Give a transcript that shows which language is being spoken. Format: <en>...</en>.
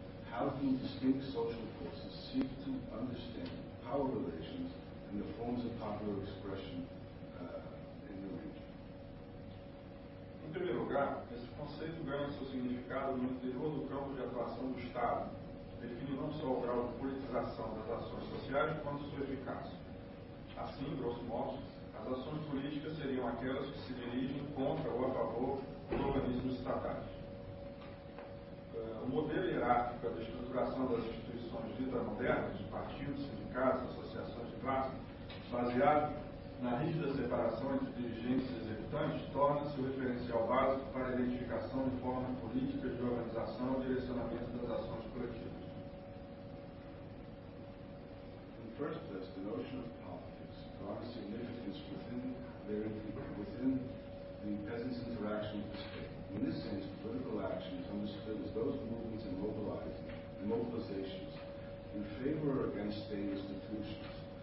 <en>How do distinct social forces seek to understand power relations and the forms of popular expression in the region?</en> <pt>Em primeiro lugar, esse conceito ganha seu significado no interior do campo de atuação do Estado, define não só o grau de politização das ações sociais, quanto sua eficácia. Assim, grosso modo, as ações políticas seriam aquelas que se dirigem contra ou a favor dos organismos estatais. O modelo hierárquico da estruturação das instituições ditas modernas, partidos, sindicatos, associações de classe, baseado na rígida separação entre dirigentes e executantes, torna-se o referencial básico para a identificação de formas políticas de organização e direcionamento das ações coletivas.</pt> <en>In the first place, the notion of politics draws significance within the peasants' interaction with the state. In this sense, political action is understood as those movements and mobilizations in favor or against state institutions.</en>